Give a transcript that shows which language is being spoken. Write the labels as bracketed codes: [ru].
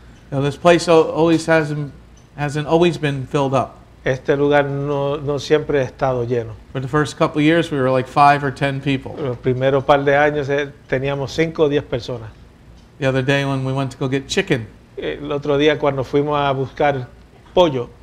[en] Now this place always hasn't always been filled up. [es] Este lugar no siempre ha estado lleno. [en] For the first couple of years, we were like 5 or 10 people. [es] Los primeros par de años teníamos 5 o 10 personas. [en] The other day when we went to go get chicken. [es] El otro día cuando fuimos a buscar pollo.